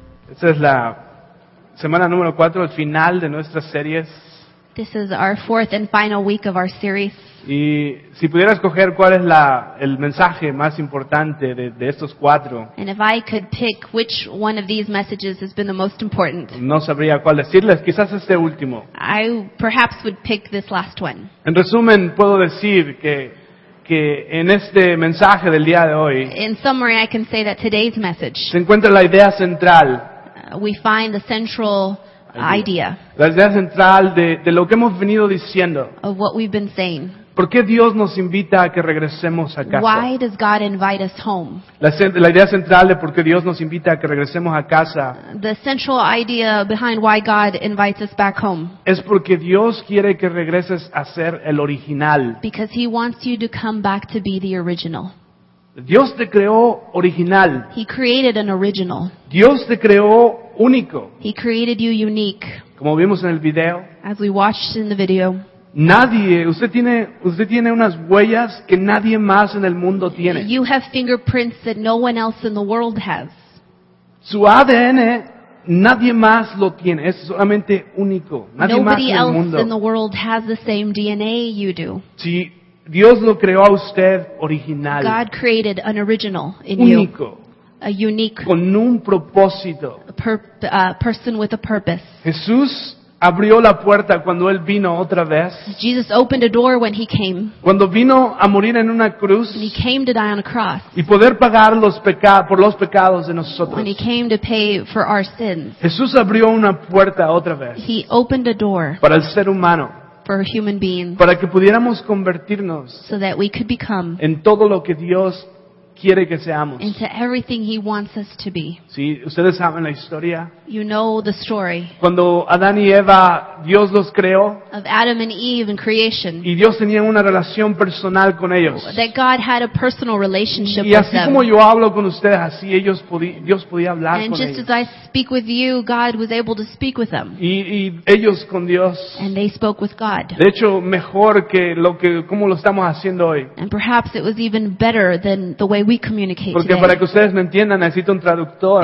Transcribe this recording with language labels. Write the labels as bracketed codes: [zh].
[es] Esta es la semana número 4, el final de nuestras series. [en] This is our fourth and final week of our series. [es] Y si pudiera escoger cuál es el mensaje más importante de estos 4. [en] And if I could pick which one of these messages has been the most important. [es] No sabría cuál decirles, quizás este último. [en] I perhaps would pick this last one. [es] En resumen, puedo decir que en este mensaje del día de hoy. [en] In summary, I can say that today's message. [es] Se encuentra la idea central. [en] We find the central idea. [es] La idea central de lo que hemos venido diciendo. [en] Of what we've been saying. [es] ¿Por qué Dios nos invita a que regresemos a casa? [en] Why does God invite us home? [es] La idea central de por qué Dios nos invita a que regresemos a casa. [en] The central idea behind why God invites us back home. [es] Es porque Dios quiere que regreses a ser el original. [en] Because he wants you to come back to be the original. [es] Dios te creó original. [en] He created an original. [es] Dios te creó único. [en] He created you unique. [es] Como vimos en el video. [en] As we watched in the video. [es] Nadie, usted tiene unas huellas que nadie más en el mundo tiene. [en] You have fingerprints that no one else in the world has. [es] Su ADN nadie más lo tiene, es solamente único. Nadie [en] Nobody [es] más en el mundo. [en] Else in the world has the same DNA you do. [es] Sí. Dios lo creó a usted original. [en] God created an original in [es] único, [en] you. A unique. [es] Con un propósito. [en] A person with a purpose. [es] Jesús abrió la puerta cuando él vino otra vez. [en] Jesus opened a door when he came. [es] Cuando vino a morir en una cruz. [en] When he came to die on a cross. [es] Y poder pagar por los pecados de nosotros. [en] When he came to pay for our sins. [es] Jesús abrió una puerta otra vez. [en] He opened a door. [es] Para el ser humano. [en] For human beings, [es] para que pudiéramos convertirnos, [en] so that we could become, [es] en todo lo que Dios quiere que seamos, [en] into everything he wants us to be. [es] Sí, ustedes saben la historia. [en] You know the story. [es] Cuando Adán y Eva, Dios los creó. [en] Of Adam and Eve in creation. [es] Y Dios tenía una relación personal con ellos. [en] That God had a personal relationship with them. [es] Y así como yo hablo con ustedes, así ellos Dios podía hablar con ellos. [en] And just as I speak with you, God was able to speak with them. [es] Y ellos con Dios. [en] And they spoke with God. [es] De hecho, mejor que como lo estamos haciendo hoy. [en] And perhaps it was even better than the way we communicate [es] porque [en] today. [es] Para que ustedes me entiendan, necesito un traductor.